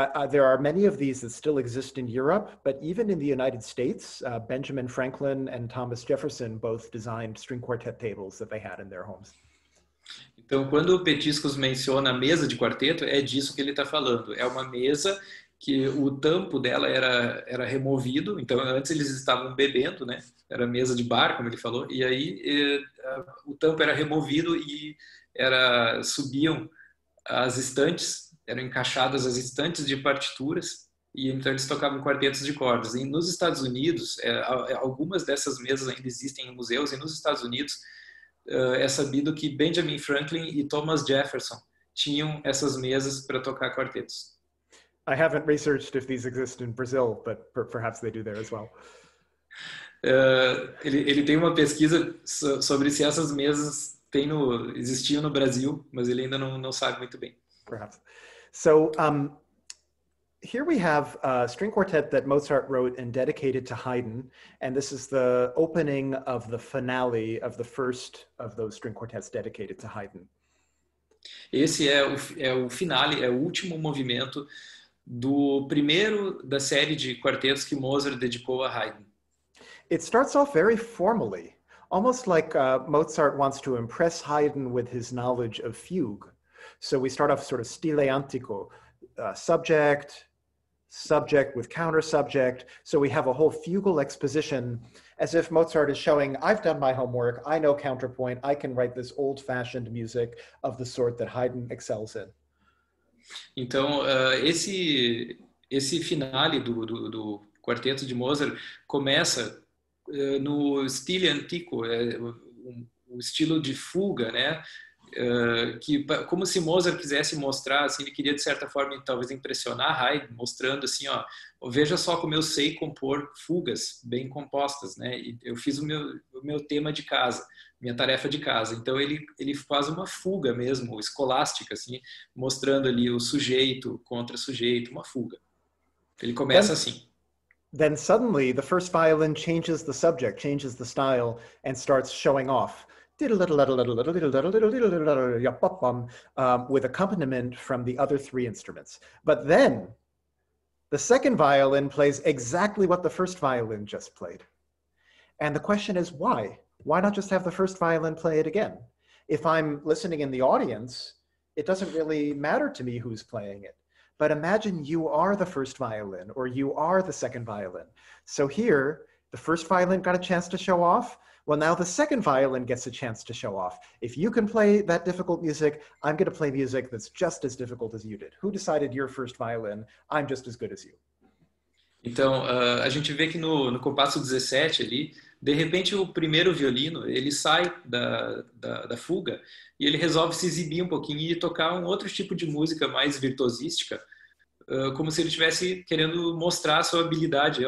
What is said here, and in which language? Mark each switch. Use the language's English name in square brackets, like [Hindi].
[English] There are many of these that still exist in Europe, but even in the United States, Benjamin Franklin and Thomas Jefferson both designed string quartet tables that they had in their homes. [Portuguese] Então, quando o Petiscos menciona a mesa de quarteto, é disso que ele está falando. É uma mesa que o tampo dela era removido. Então, antes eles estavam bebendo, né? Era mesa de bar, como ele falou. E aí, o tampo era removido e subiam as estantes, eram encaixadas as estantes de partituras. E então, eles tocavam quartetos de cordas. E nos Estados Unidos, algumas dessas mesas ainda existem em museus. E nos Estados Unidos, é sabido que Benjamin Franklin e Thomas Jefferson tinham essas mesas para tocar quartetos. [English] I haven't researched if these exist in Brazil, but perhaps they do there as well. [Portuguese] Ele tem uma pesquisa sobre se essas mesas existiam no Brasil, mas ele ainda não sabe muito bem. [English] Perhaps. So, here we have a string quartet that Mozart wrote and dedicated to Haydn, and this is the opening of the finale of the first of those string quartets dedicated to Haydn. [Portuguese] Esse é o finale, é o último movimento do primeiro da série de quartetos que Mozart dedicou a Haydn. [English] It starts off very formally, almost like Mozart wants to impress Haydn with his knowledge of fugue. So we start off sort of stile antico, subject, subject with counter subject. So we have a whole fugal exposition as if Mozart is showing, I've done my homework, I know counterpoint, I can write this old fashioned music of the sort that Haydn excels in. [Portuguese] Então, esse finale do quarteto de Mozart começa no stile antico, o estilo de fuga, né? Que como se Mozart quisesse mostrar, assim, ele queria de certa forma talvez impressionar Haydn, mostrando assim, ó, veja só como eu sei compor fugas bem compostas, né? E eu fiz o meu tema de casa, minha tarefa de casa. Então ele faz uma fuga mesmo, escolástica, assim, mostrando ali o sujeito contra sujeito, uma fuga. Ele começa assim. [English] Then suddenly the first violin changes the subject, changes the style and starts showing off. With accompaniment from the other three instruments. But then, the second violin plays exactly what the first violin just played. And the question is, why? Why not just have the first violin play it again? If I'm listening in the audience, it doesn't really matter to me who's playing it. But imagine you are the first violin, or you are the second violin. So here, the first violin got a chance to show off. Well, now the second violin gets a chance to show off. If you can play that difficult music, I'm going to play music that's just as difficult as you did. Who decided your first violin? I'm just as good as you. [Portuguese] Então, a gente vê que no compasso 17 ali, de repente o primeiro violino, ele sai da fuga e ele resolve se exibir um pouquinho e tocar um outro tipo de música mais virtuosística, como se ele estivesse querendo mostrar a sua habilidade.